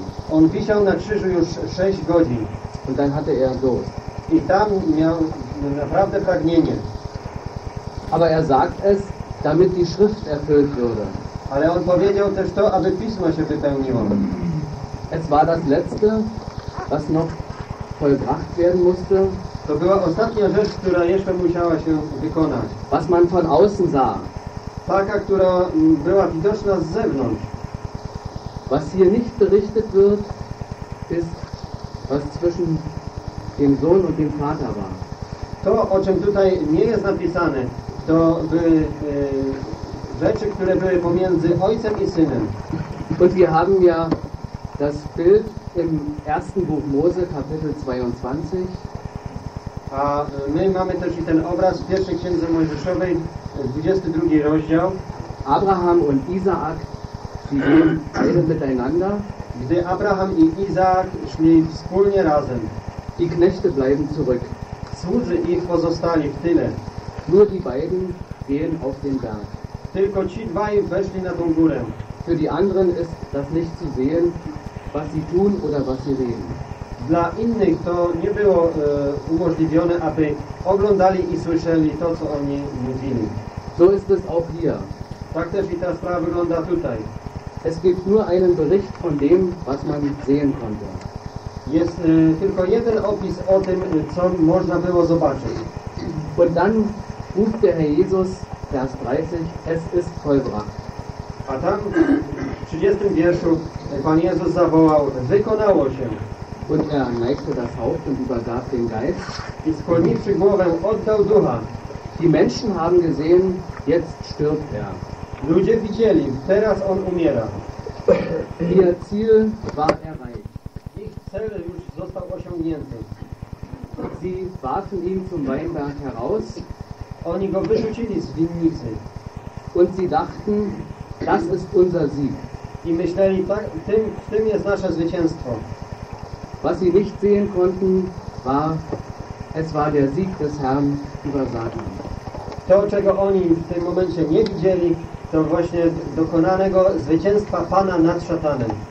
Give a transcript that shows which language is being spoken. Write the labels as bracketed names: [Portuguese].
[Polish] On wisiał na krzyżu już 6 godzin. [German] Und dann hatte Durst. [Polish] I tam miał naprawdę pragnienie. [German] Aber sagt es, damit die Schrift erfüllt würde. [Polish] Ale on powiedział też to, aby Pismo się wypełniło. [German] Es war das letzte, was noch vollbracht werden musste. [Polish] To była ostatnia rzecz, która jeszcze musiała się wykonać. [German] Was man von außen sah. [Polish] Taka, która była widoczna z zewnątrz. [German] Was hier nicht berichtet wird, ist, was zwischen dem Sohn und dem Vater war. [Polish] To, o czym tutaj nie jest napisane, to były rzeczy, które były pomiędzy ojcem i synem. [German] Und wir haben ja das Bild im ersten Buch Mose, Kapitel 22. [Polish] A my mamy też i ten obraz w pierwszej księdze Mojżeszowej, 22 rozdział. [German] Abraham und Isaak, sie gehen beide miteinander. [Polish] Gdy Abraham i Izaak szli wspólnie razem. [German] Die Knechte bleiben zurück. [Polish] Służy ich pozostali w tyle. [German] Nur die beiden gehen auf den Berg. [Polish] Tylko ci dwaj weszli na tą górę. [German] Für die anderen ist das nicht zu sehen, was sie tun oder was sie reden. [Polish] Dla innych to nie było umożliwione, aby oglądali i słyszeli to, co oni mówili. [German] So ist es auch hier. [Polish] Tak też i ta sprawa wygląda tutaj. [German] Es gibt nur einen Bericht von dem, was man sehen konnte. [Polish] Jest tylko jeden opis o tym, co można było zobaczyć. [German] Und dann ruft der Herr Jesus, Vers 30, es ist vollbracht. [Polish] A tam w 30 wierszu Pan Jezus zawołał, wykonało się. [German] Und neigte das Haupt und übergab den Geist. [Polish] I skłoniwszy głowę, oddał ducha. [German] Die Menschen haben gesehen, jetzt stirbt er. [Polish] Ludzie widzieli, teraz on umiera. [German] Ihr Ziel war erreicht. [Polish] Cel już został osiągnięty. [German] Sie warfen ihn zum Weinberg heraus. [Polish] Oni go wyrzucili z winnicy. [German] Und sie dachten, das ist unser Sieg. [Polish] I myśleli, tak, w tym jest nasze zwycięstwo. [German] Was sie nicht sehen konnten, war, es war der Sieg des Herrn über Satan. [Polish] To, czego oni w tym momencie nie widzieli, to właśnie dokonanego zwycięstwa Pana nad szatanem.